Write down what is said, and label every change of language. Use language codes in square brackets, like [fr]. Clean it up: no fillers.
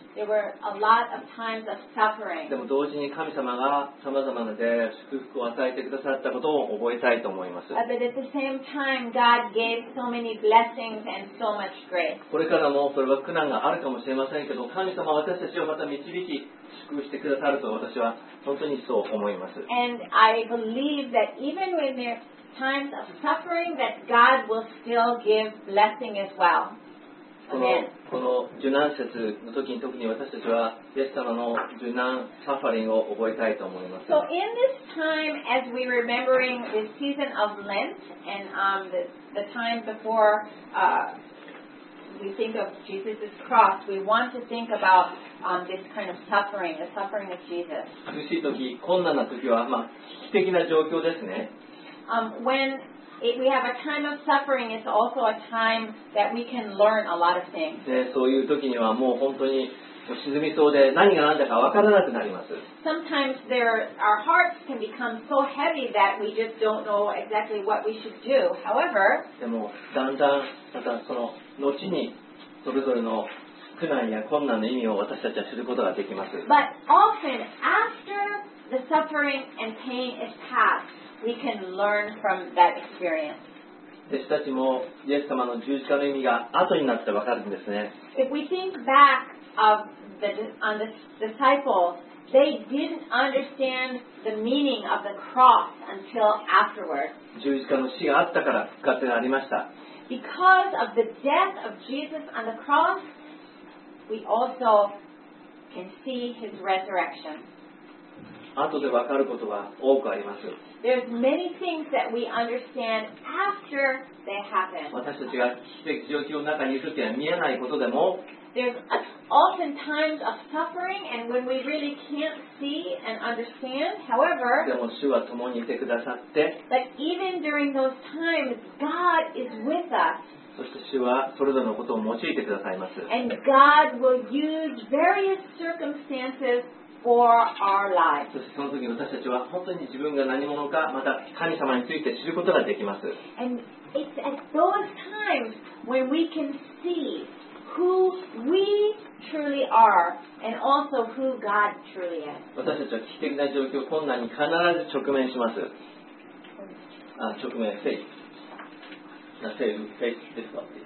[en] There were a lot of times of suffering. [ja] でも同時に神様が様々な出会いや祝福を与えてくださったことを覚えたいと思います。 [en] But at the same time, God gave so many blessings and so much grace. [ja] これからもそれは苦難があるかもしれませんけど、神様は私たちをまた導き、祝福してくださると私は本当にそう思います。 [en] And I believe that even when there are times of suffering, that God will still give blessing as well. [ja] この受難節の時に特に私たちはイエス様の受難サファリングを覚えたいと思います。 [en] So in this time, as we remembering the season of Lent and the time before we think of Jesus' cross, we want to think about this kind of suffering, the suffering of Jesus. [ja] 苦しい時、困難な時は、まあ、危機的な状況ですね。 [en] When If we have a time of suffering, it's also a time that we can learn a lot of things. [ja] ね、そういう時にはもう本当に沈みそうで何が何だか分からなくなります。 [en] Sometimes our hearts can become so heavy that we just don't know exactly what we should do. However, [ja] でもだんだんまたその後にそれぞれの苦難や困難の意味を私たちは知ることができます。 [en] But often after the suffering and pain is past. We can learn from that experience. [ja] 弟子たちもイエス様の十字架の意味が後になって分かるんですね。 [en] If we think back of the disciples, they didn't understand the meaning of the cross until afterward. [ja] 十字架の死があったから復活がありました。 [en] Because of the death of Jesus on the cross, we also can see his resurrection. [ja] 後で分かることが多くあります。 [en] There's many things that we understand after they happen. [ja] 私たちが状況の中にいるときは見えないことでも、 [en] There's often times of suffering and when we really can't see and understand, however, [ja] でも主は共にいてくださって、 [en] But even during those times, God is with us. [ja] そして主はそれぞれのことを用いてくださいます。 [en] And God will use various circumstances. For our lives. [ja] そしてその時私たちは本当に自分が何者かまた神様について知ることができます。 [en] And it's at those times when we can see who we truly are and also who God truly is. [ja] 私たちは危機的な状況、困難に必ず直面します。あ、直面、フェイス。フェイス、フェイス、ですか。